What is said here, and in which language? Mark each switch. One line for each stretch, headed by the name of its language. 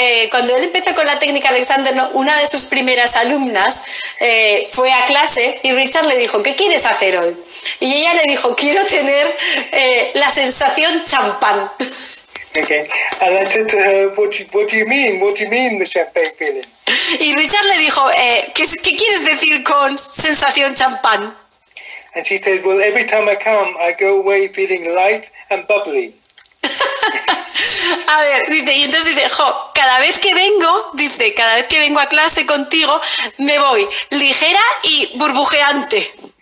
Spanish: Cuando él empezó con la técnica Alexander, una de sus primeras alumnas fue a clase y Richard le dijo, ¿qué quieres hacer hoy? Y ella le dijo, quiero tener la sensación champán.
English: Okay. And I said to her, what do you mean? What do you mean the champagne feeling?
Spanish: Y Richard le dijo, ¿qué quieres decir con sensación champán?
English: And she said, well, every time I come, I go away feeling light and bubbly.
Spanish: A ver, dice, y entonces dice, jo, cada vez que vengo, dice, cada vez que vengo a clase contigo, me voy ligera y burbujeante.